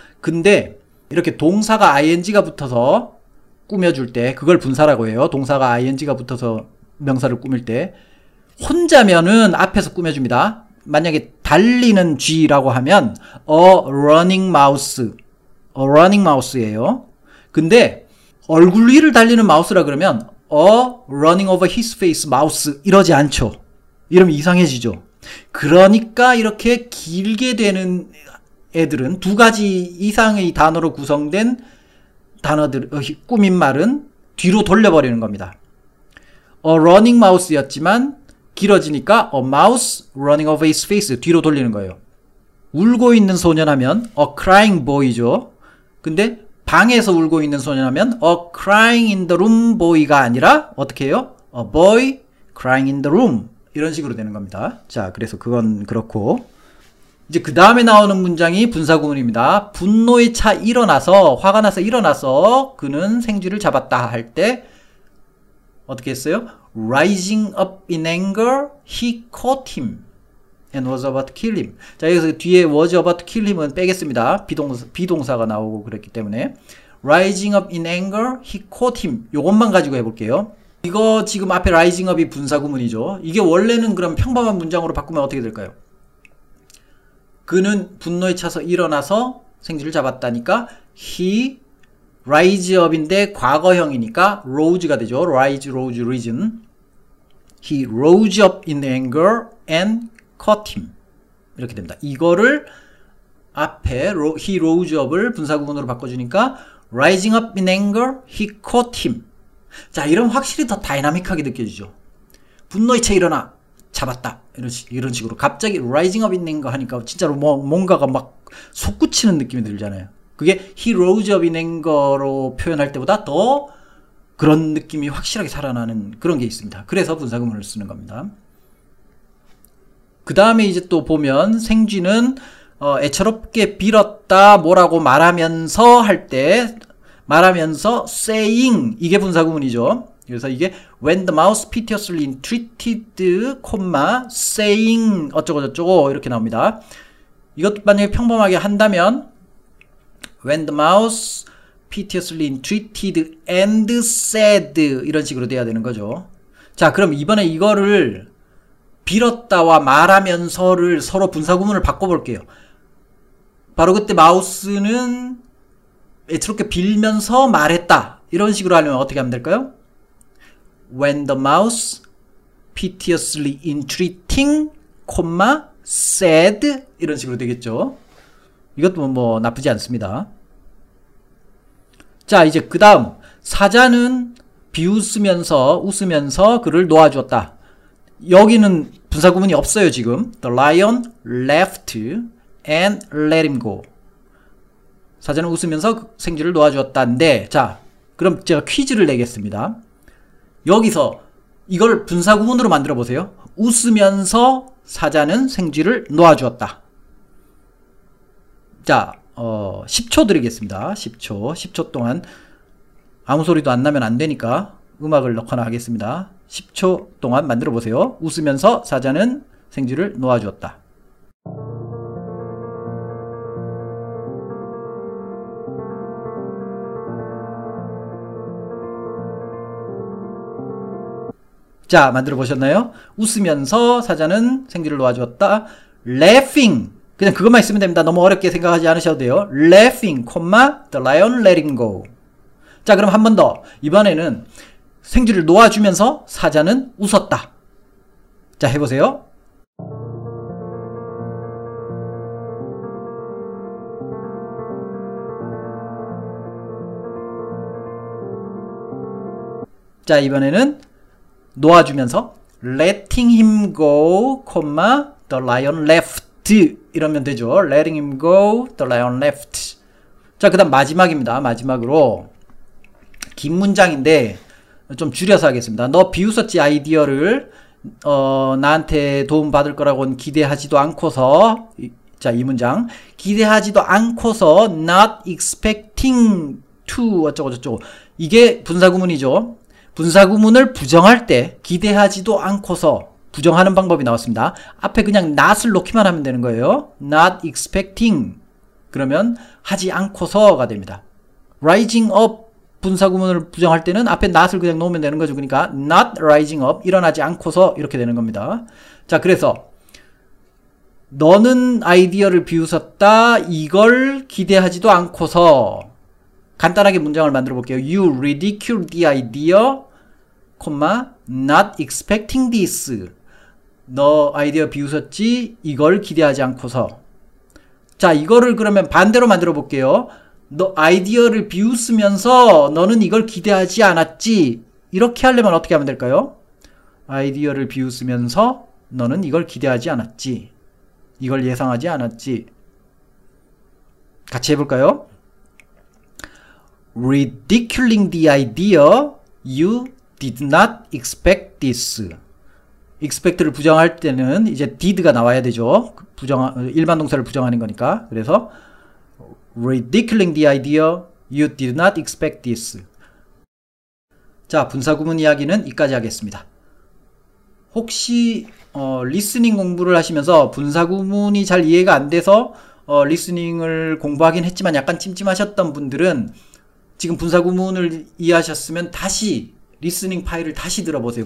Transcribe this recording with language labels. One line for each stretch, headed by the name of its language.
Korean: 근데 이렇게 동사가 ing가 붙어서 꾸며줄 때 그걸 분사라고 해요. 동사가 ing가 붙어서 명사를 꾸밀 때 혼자면은 앞에서 꾸며줍니다. 만약에 달리는 쥐라고 하면
English: a running mouse. A running mouse예요.
Korean: 근데 얼굴 위를 달리는 마우스라 그러면
English: a running over his face mouse
Korean: 이러지 않죠. 이러면 이상해지죠. 그러니까 이렇게 길게 되는 애들은 두 가지 이상의 단어로 구성된 단어들, 꾸민 말은 뒤로 돌려버리는 겁니다.
English: A running mouse였지만
Korean: 길어지니까
English: a mouse running over his face
Korean: 뒤로 돌리는 거예요. 울고 있는 소년하면
English: a crying boy
Korean: 죠. 근데 방에서 울고 있는 소년하면
English: a crying in the room boy
Korean: 가 아니라 어떻게 해요?
English: a boy crying in the room
Korean: 이런 식으로 되는 겁니다. 자, 그래서 그건 그렇고 이제 그 다음에 나오는 문장이 분사구문입니다. 분노에 차 일어나서 화가 나서 일어나서 그는 생쥐를 잡았다 할때 어떻게 했어요?
English: Rising up in anger, he caught him. And was about to kill him.
Korean: 자, 여기서 뒤에
English: was about to kill him
Korean: 은 빼겠습니다. 비동사가 나오고 그랬기 때문에.
English: Rising up in anger, he caught him.
Korean: 요것만 가지고 해볼게요. 이거 지금 앞에 rising up이 분사구문이죠. 이게 원래는 그럼 평범한 문장으로 바꾸면 어떻게 될까요? 그는 분노에 차서 일어나서 생쥐를 잡았다니까.
English: He rise up인데
Korean: 과거형이니까
English: rose가 되죠. Rise, rose, risen. He rose up in anger and caught him.
Korean: 이렇게 됩니다. 이거를 앞에
English: he rose up을
Korean: 분사구문으로 바꿔주니까
English: rising up in anger, he caught him.
Korean: 자, 이러면 확실히 더 다이나믹하게 느껴지죠. 분노에 차 일어나 잡았다 이런 식으로 갑자기
English: rising up in anger
Korean: 하니까 진짜로 뭔가가 막 솟구치는 느낌이 들잖아요. 그게
English: he rose up in anger
Korean: 로 표현할 때보다 더 그런 느낌이 확실하게 살아나는 그런 게 있습니다. 그래서 분사구문을 쓰는 겁니다. 그 다음에 이제 또 보면 생쥐는 애처롭게 빌었다 뭐라고 말하면서 할때 말하면서 saying 이게 분사구문이죠. 그래서 이게
English: when the mouse piteously entreated, saying
Korean: 어쩌고저쩌고 이렇게 나옵니다. 이것도 만약에 평범하게 한다면
English: when the mouse piteously entreated and said
Korean: 이런 식으로 돼야 되는 거죠. 자, 그럼 이번에 이거를 빌었다와 말하면서를 서로 분사구문을 바꿔볼게요. 바로 그때 마우스는 애처롭게 빌면서 말했다. 이런 식으로 하려면 어떻게 하면 될까요?
English: When the mouse piteously entreating, said 이런 식으로 되겠죠.
Korean: 이것도 뭐 나쁘지 않습니다. 자, 이제 그 다음 사자는 비웃으면서 웃으면서 그를 놓아주었다. 여기는 분사구문이 없어요, 지금.
English: The lion left and let him go.
Korean: 사자는 웃으면서 생쥐를 놓아주었다인데, 자, 그럼 제가 퀴즈를 내겠습니다. 여기서 이걸 분사구문으로 만들어 보세요. 웃으면서 사자는 생쥐를 놓아주었다. 자, 10초 드리겠습니다. 10초. 10초 동안 아무 소리도 안 나면 안 되니까 음악을 넣거나 하겠습니다. 10초 동안 만들어 보세요. 웃으면서 사자는 생쥐를 놓아주었다. 자, 만들어 보셨나요? 웃으면서 사자는 생쥐를 놓아주었다.
English: Laughing.
Korean: 그냥 그것만 있으면 됩니다. 너무 어렵게 생각하지 않으셔도 돼요.
English: Laughing, the lion letting go.
Korean: 자, 그럼 한번 더. 이번에는 생쥐를 놓아주면서 사자는 웃었다. 자, 해보세요. 자, 이번에는 놓아주면서
English: letting him go, the lion left.
Korean: 이러면 되죠.
English: Letting him go, the lion left.
Korean: 자, 그다음 마지막입니다. 마지막으로 긴 문장인데 좀 줄여서 하겠습니다. 너 비웃었지 아이디어를 나한테 도움 받을 거라고는 기대하지도 않고서 자, 이 문장 기대하지도 않고서
English: not expecting to
Korean: 어쩌고 저쩌고 이게 분사구문이죠. 분사구문을 부정할 때 기대하지도 않고서 부정하는 방법이 나왔습니다. 앞에 그냥 not을 놓기만 하면 되는 거예요.
English: not expecting.
Korean: 그러면 하지 않고서가 됩니다. rising up 분사구문을 부정할 때는 앞에 not을 그냥 놓으면 되는 거죠. 그러니까
English: not rising up,
Korean: 일어나지 않고서 이렇게 되는 겁니다. 자, 그래서 너는 아이디어를 비웃었다. 이걸 기대하지도 않고서 간단하게 문장을 만들어 볼게요.
English: you ridiculed the idea, not expecting this.
Korean: 너 아이디어 비웃었지? 이걸 기대하지 않고서. 자, 이거를 그러면 반대로 만들어 볼게요. 너 아이디어를 비웃으면서 너는 이걸 기대하지 않았지? 이렇게 하려면 어떻게 하면 될까요? 아이디어를 비웃으면서 너는 이걸 기대하지 않았지? 이걸 예상하지 않았지? 같이 해볼까요?
English: Ridiculing the idea, you did not expect this.
Korean: expect를 부정할 때는 이제 did가 나와야 되죠. 일반 동사를 부정하는 거니까.
English: 그래서 ridiculing the idea, you did not expect this.
Korean: 자, 분사구문 이야기는 여기까지 하겠습니다. 혹시 리스닝 공부를 하시면서 분사구문이 잘 이해가 안 돼서 리스닝을 공부하긴 했지만 약간 찜찜하셨던 분들은 지금 분사구문을 이해하셨으면 다시 리스닝 파일을 다시 들어보세요.